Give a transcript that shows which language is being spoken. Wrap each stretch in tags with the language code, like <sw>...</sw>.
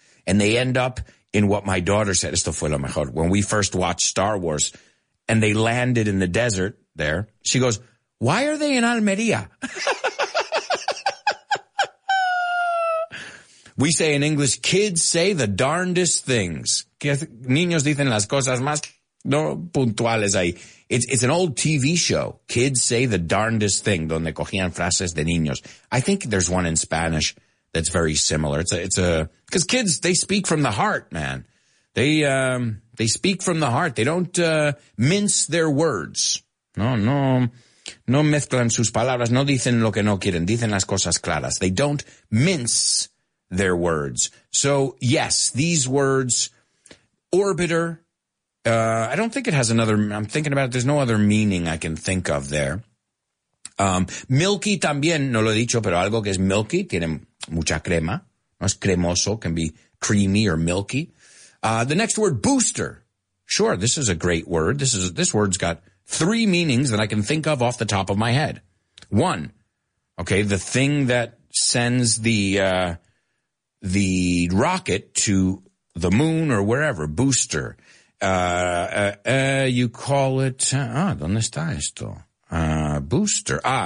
<en>And they end up in what my daughter said,</en> <es>esto fue lo mejor,</es> <en>when we first watched Star Wars and they landed in the desert there. She goes, why are they in Almería? We say in English, kids say the darndest things.</en> <es>Niños dicen las cosas más no puntuales ahí.</es> <en>It's an old TV show. Kids Say the Darndest Thing,</en> <es>donde cogían frases de niños.</es> <en>I think there's one in Spanish that's very similar. Because kids, they speak from the heart, man. They speak from the heart. They don't mince their words.</en> <es>No mezclan sus palabras. No dicen lo que no quieren. Dicen las cosas claras.</es> <en>They don't mince their words. So, yes, these words, orbiter, I don't think it has another, I'm thinking about it, there's no other meaning I can think of there.</en> <es>Milky también, no lo he dicho, pero algo que es milky, tiene mucha crema, no es cremoso,</es> <en>can be creamy or milky. The next word, booster. Sure, this is a great word. This word's got three meanings that I can think of off the top of my head. One, okay, the thing that sends the rocket to the moon or wherever, booster. You call it,</en> <es>¿dónde está esto?</es> <en>Booster.</en>